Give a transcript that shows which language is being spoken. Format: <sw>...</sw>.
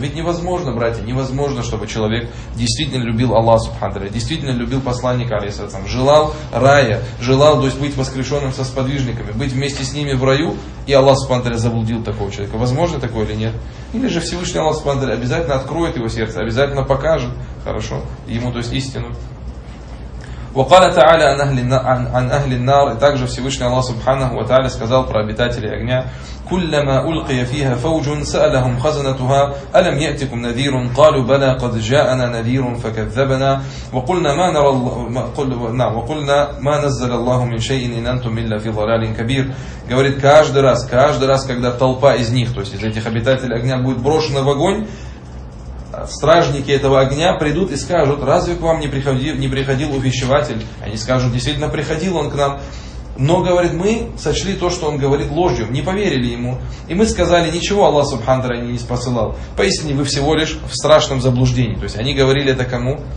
<ru>Ведь невозможно, братья, невозможно, чтобы человек действительно любил Аллаха Субхана ва Тааля, действительно любил посланника, алейхиссалям, желал рая, желал, то есть, быть воскрешенным со сподвижниками, быть вместе с ними в раю, и Аллах Субхана ва Тааля заблудил такого человека. Возможно такое или нет? Или же Всевышний Аллах Субхана ва Тааля обязательно откроет его сердце, обязательно покажет, хорошо, ему, то есть, истину.</ru> <ar>وقال تعالى عن أهل النار, عن أهل النار,</ar> <ru>также Всевышний Аллах Субханаху ва Тааля сказал про обитателей огня:</ru> <ar>كلما ألقي فيها فوج سألهم خزنتها ألم يأتكم نذير قالوا بلى قد جاءنا نذير فكذبنا وقلنا ما نرى الله وقلنا ما نزل الله من شيء إن أنتم إلا في ضلال كبير.</ar> <ru>Говорит, каждый раз, когда толпа из них, то есть из этих обитателей огня, будет брошена в огонь, стражники этого огня придут и скажут: разве к вам не приходил увещеватель? Они скажут: действительно приходил он к нам, но, говорит, мы сочли то, что он говорит, ложью, не поверили ему, и мы сказали: ничего Аллах Субханта Тааля не посылал, поистине вы всего лишь в страшном заблуждении. То есть они говорили это кому?</ru>